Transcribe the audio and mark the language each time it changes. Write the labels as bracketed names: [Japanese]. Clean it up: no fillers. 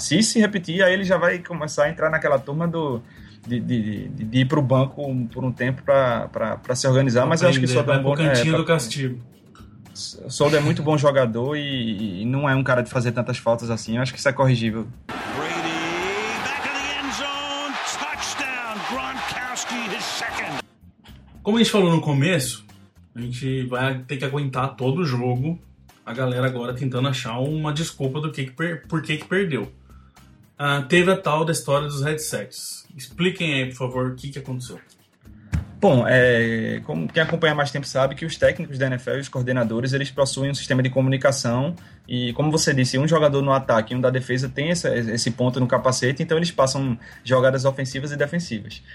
[Portuguese] Se isso se repetir, aí ele já vai começar a entrar naquela turma de ir pro banco por um tempo para se organizar, mas eu acho que só dá um bom cantinho do castigo. Solder é muito bom jogador e não é um cara de fazer tantas faltas assim. Eu acho que isso é corrigível. [English] Brady, back in the end zone, touchdown, Gronkowski, his second. [Portuguese] Como a gente falou no começo, a gente vai ter que aguentar todo o jogo a galera agora tentando achar uma desculpa do que por que perdeu. Teve a tal da história dos headsets. Expliquem aí, por favor, o que aconteceu. Bom, como quem acompanha mais tempo sabe que os técnicos da NFL e os coordenadores, eles possuem um sistema de comunicação e, como você disse, um jogador no ataque e um da defesa tem esse ponto no capacete, então eles passam jogadas ofensivas e defensivas.